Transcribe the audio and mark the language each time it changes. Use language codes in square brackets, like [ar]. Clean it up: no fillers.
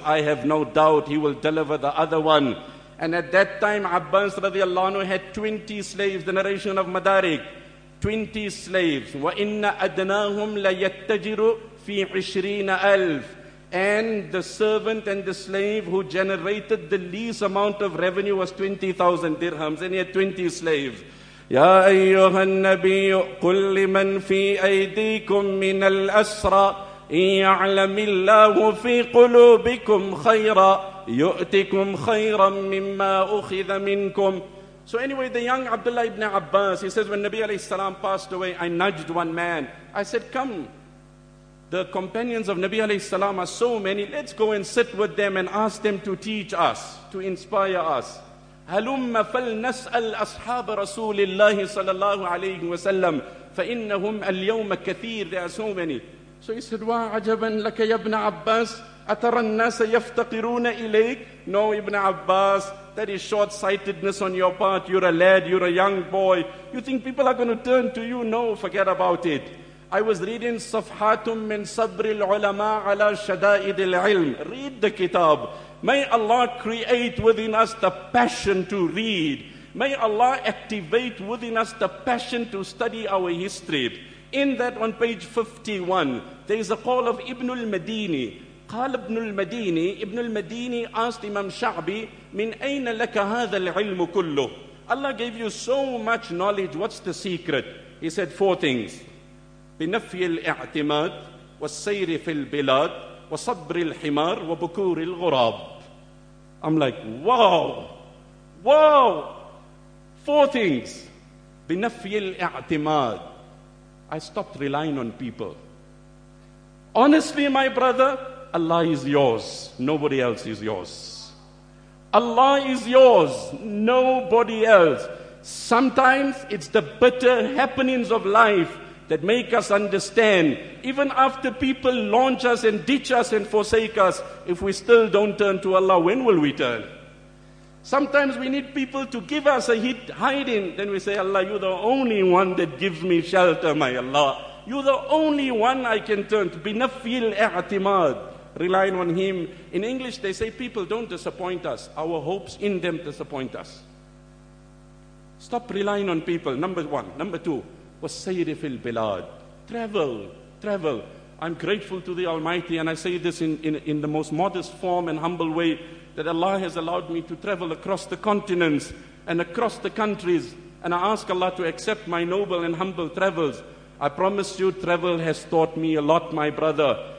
[en] I have no doubt he will deliver the other one. And at that time, Abbas radiallahu anhu had 20 slaves, the narration of Madarik. 20 slaves. [ar] وَإِنَّ أَدْنَاهُمْ لَيَتَّجِرُ فِي 20,000. [en] And the servant and the slave who generated the least amount of revenue was 20,000 dirhams, and he had 20 slaves. [ar] يا أيها النبي قل لمن في أيديكم من الأسرى إن يعلم الله في قلوبكم خيرا يؤتكم خيرا مما أخذ منكم. [en] So anyway, the young Abdullah ibn Abbas, he says, when Nabi alayhi salam passed away, I nudged one man. I said, come, the companions of Nabi alayhi salam are so many, let's go and sit with them and ask them to teach us, to inspire us. [ar] هَلُمَّ فَلْنَسْأَلْ أَصْحَابَ رَسُولِ اللَّهِ صَلَى اللَّهُ عَلَيْهِ وَسَلَّمْ فَإِنَّهُمْ الْيَوْمَ كَثِيرٌ. [en] There are so many. So he said, [ar] wa ajaban laka ya ibn Abbas, atara an-nasa yaftaqiruna ilayk? [en] No, ibn Abbas, that is short-sightedness on your part. You're a lad, you're a young boy. You think people are going to turn to you? No, forget about it. I was reading Safhatum min Sabri al-Ulama ala Shada'id al-Ilm. Read the kitab. May Allah create within us the passion to read. May Allah activate within us the passion to study our history. In that, on page 51, there is a call of Ibn al-Madini. [ar] قال ابن المديني, ابن المديني [en] asked Imam Sha'bi, [ar] من أين لك هذا العلم كله? [en] Allah gave you so much knowledge, what's the secret? He said four things. [ar] بنفي الاعتماد والسير في البلاد وصبر الحمار وبكور الغراب. [en] I'm like, wow, wow. Four things. [ar] بنفي الاعتماد. [en] I stopped relying on people. Honestly, my brother, Allah is yours. Nobody else is yours. Allah is yours. Nobody else. Sometimes it's the bitter happenings of life that make us understand, even after people launch us and ditch us and forsake us, if we still don't turn to Allah, when will we turn? Sometimes we need people to give us a hiding. Then we say, Allah, you're the only one that gives me shelter, my Allah. You're the only one I can turn to. [ar] Binafil i'timad, [en] relying on Him. In English, they say, people don't disappoint us. Our hopes in them disappoint us. Stop relying on people, number one. Number two, [ar] وَالسَّيْرِ فِي الْبِلَادِ. [en] Travel, travel. I'm grateful to the Almighty, and I say this in the most modest form and humble way, that Allah has allowed me to travel across the continents and across the countries, and I ask Allah to accept my noble and humble travels. I promise you, travel has taught me a lot, my brother.